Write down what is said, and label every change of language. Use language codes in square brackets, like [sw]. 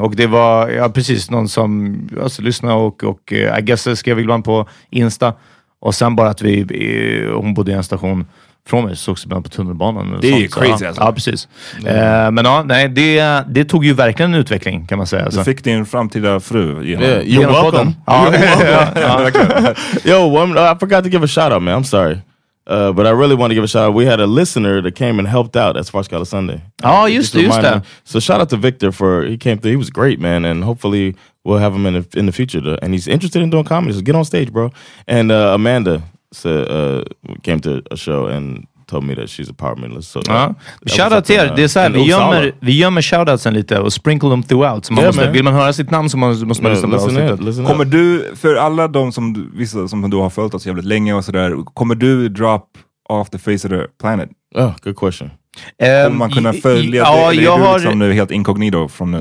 [sv] Och det var precis någon som alltså lyssnade och [en] I guess [sv] skrev ibland på Insta och sen bara att hon bodde i en station från mig, så också på tunnelbanan. Det är sånt, [en] crazy [sv] så, alltså. Ja, precis. Mm. Men ja, nej, det tog ju verkligen en utveckling kan man säga. Du fick din framtida fru genom podden. [en] Yo, I forgot to give a shout out, man. I'm sorry. But I really want to give a shout out. We had a listener that came and helped out at Sparks Got a Sunday. Oh, just that. So shout out to Victor he came through. He was great, man. And hopefully we'll have him in the future. And he's interested in doing comedy. So get on stage, bro. And Amanda came to a show and told me that she's apartmentless. So Shout out to you. [sv] Vi gömmer shout outs lite och [en] sprinkle them throughout. [sv] Så vill man höra sitt namn så måste man lyssna på avsnittet. Kommer du, för alla de som vissa som du har följt oss jävligt länge och sådär, kommer du [en] drop off the face of the planet? Oh, good question. [sv] Om man kunna följa nu helt inkognito från nu?